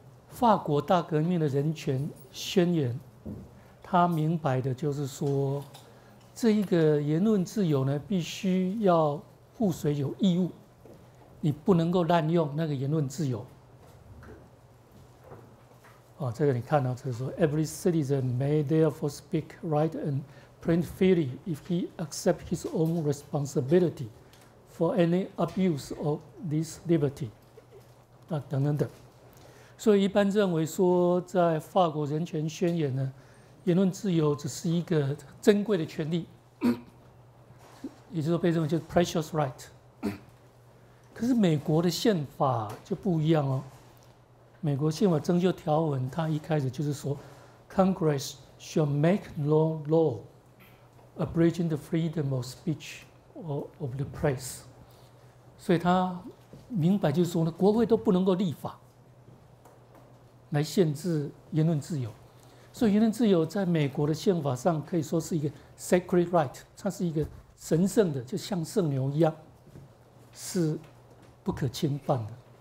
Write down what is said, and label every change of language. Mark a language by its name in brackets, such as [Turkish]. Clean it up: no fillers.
[Chinese] 法国大革命的人权宣言，他明白的就是说，这一个言论自由呢，必须要附随有义务，你不能够滥用那个言论自由。哦，这个你看到，就是说 [English] ，Every citizen may therefore speak, write, and print freely if he accepts his own responsibility for any abuse of this liberty。 [Chinese] 啊，等等等。所以一般认为说，在法国人权宣言呢，言论自由只是一个珍贵的权利，也就是说被认为就是 precious right。可是美国的宪法就不一样哦。美国宪法征修条文，它一开始就是说 [English] ，Congress shall make no law abridging the freedom of speech or of the press。 [Chinese] 所以他明白就是说呢，国会都不能够立法来限制言论自由。所以言论自由在美国的宪法上可以说是一个 sacred right， 它是一个神圣的，就像圣牛一样，是不可侵犯的。